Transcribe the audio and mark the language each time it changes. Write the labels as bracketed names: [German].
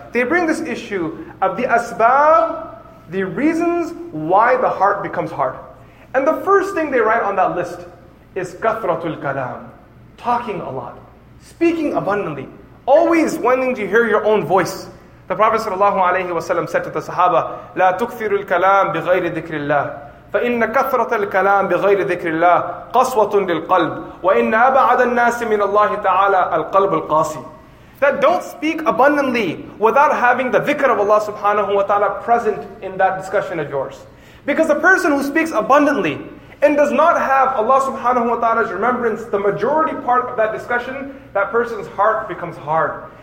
[English] They bring this issue of the asbab, the reasons why the heart becomes hard. And the first thing they write on that list is kathratul kalam, talking a lot, speaking abundantly, always wanting to hear your own voice. The Prophet sallallahu alayhi wa sallam said to the Sahaba, [Arabic] لا تكثر الكلام بغير ذكر الله فإن كثرة الكلام بغير ذكر الله قصوة للقلب وإن أبعد الناس من الله تعالى القلب القاسي. [English] That don't speak abundantly without having the dhikr of Allah subhanahu wa ta'ala present in that discussion of yours. Because the person who speaks abundantly and does not have Allah subhanahu wa ta'ala's remembrance, the majority part of that discussion, that person's heart becomes hard.